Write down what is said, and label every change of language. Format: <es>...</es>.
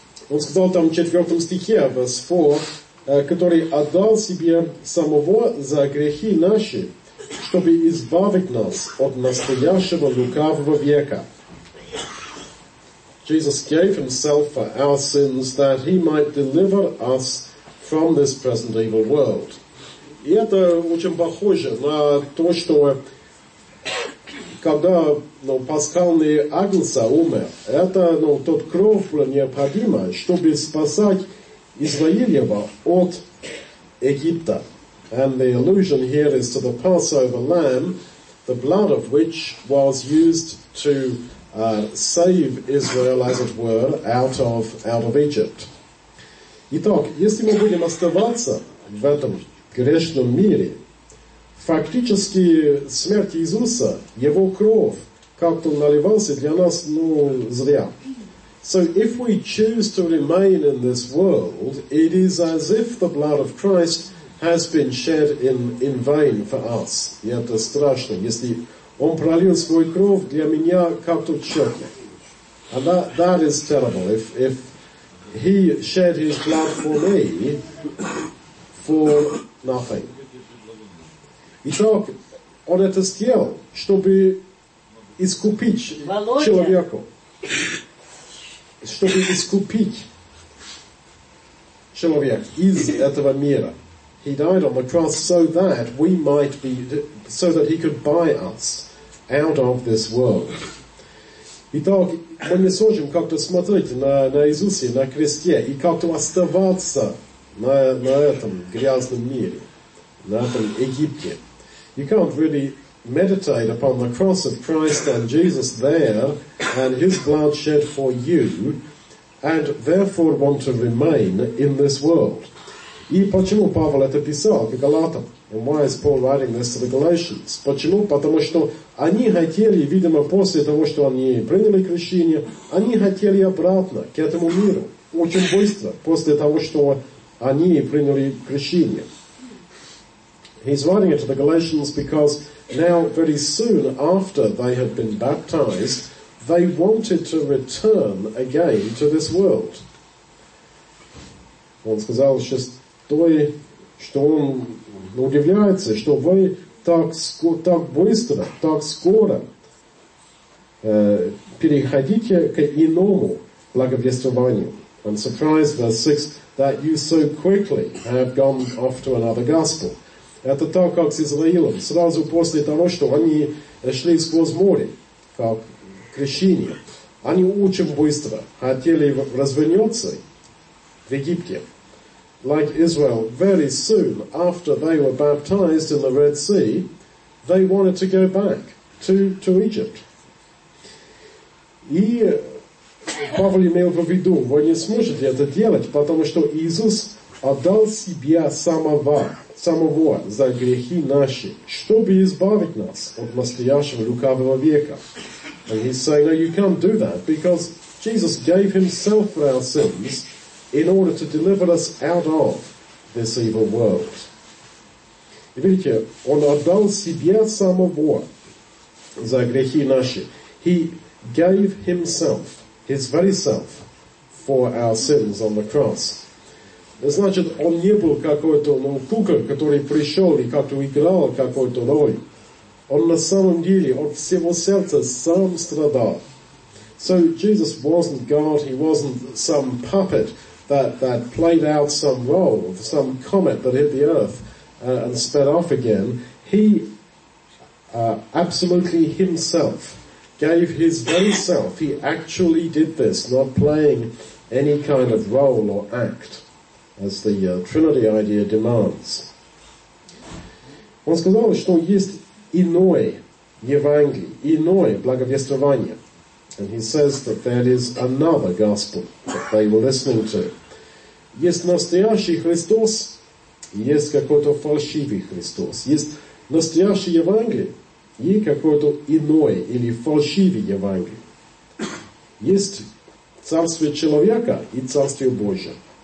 <ru>Он сказал там в четвертом стихе,</ru> <en>verse 4,</en> <ru>который отдал себе самого за грехи наши, чтобы избавить нас от настоящего лукавого века.</ru> <en>Jesus gave himself for our sins that he might deliver us from this present evil world.</en> <ru>И это очень похоже на то, что когда пасхальный агнец умер, это тот кровь была необходима, чтобы спасать Израилева от Египта.</ru> <en>And the allusion here is to the Passover lamb, the blood of which was used to save Israel, as it were, out of Egypt.</en> <ru>Итак, если мы будем оставаться в этом грешном мире, фактически смерть Иисуса, его кровь, как-то наливался для нас, зря.</ru> <en>So if we choose to remain in this world, it is as if the blood of Christ has been shed in vain for us.</en> <ru>И это страшно, если он пролил свою кровь для меня как-то чёрно.</ru> <en>And that is terrible. If he shed his blood for me, for nothing.</en> <ru>Итак, он это сделал, чтобы искупить человеку. Чтобы искупить человека из этого мира.</ru> <en>He died on the cross so that we might be, so that he could buy us out of this world.</en> <ru>Итак, мы не сможем как-то смотреть на Иисусе, на кресте, и как-то оставаться на этом грязном мире, на этом Египте.</ru> <en>You can't really meditate upon the cross of Christ and Jesus there and his blood shed for you and therefore want to remain in this world.</en> <ru>И почему Павел это писал к Галатам?</ru> <en>And why is Paul writing this to the Galatians?</en> <ru>Почему? Потому что они хотели, видимо, после того, что они приняли крещение, они хотели обратно к этому миру очень быстро после того, что они приняли крещение.</ru> <en>He's writing it to the Galatians because now, very soon after they had been baptized, they wanted to return again to this world.</en> <ru>Он сказал шестой, что он удивляется, что вы так быстро, так скоро переходите к иному благовествованию.</ru> <en>I'm surprised, verse 6, that you so quickly have gone off to another gospel.</en> <ru>Это так, как с Израилем, сразу после того, что они шли сквозь море, как крещение. Они очень быстро хотели развернуться в Египте.</ru> <en>Like Israel, very soon after they were baptized in the Red Sea, they wanted to go back to Egypt.</en> <ru>И Павел имел в виду, вы не сможете это делать, потому что Иисус отдал себя самого за грехи наши, чтобы избавить нас от настоящего лукавого века.</ru> <en>And he's saying, no, you can't do that because Jesus gave himself for our sins in order to deliver us out of this evil world.</en> <ru>И видите, он отдал себя самого за грехи наши.</ru> <en>He gave himself, his very self, for our sins on the cross.</en> <ru>Значит, он не был какой-то кукол, который пришел и как-то играл какой-то роль. Он на самом деле от всего сердца сам страдал.</ru> <en>So Jesus wasn't God, he wasn't some puppet that played out some role, some comet that hit the earth and sped off again. He absolutely himself gave his very self. He actually did this, not playing any kind of role or act, as the Trinity idea demands.</en> <ru>Он сказал, что есть иное Евангелие, иное благовествование.</ru> <en>And he says that there is another gospel that they were listening to.</en> <ru>Есть настоящий Христос, есть какой-то фальшивый Христос. Есть настоящий Евангелие и какой-то иное или фальшивый Евангелие. Есть Царствие Человека и Царствие Божие.</ru>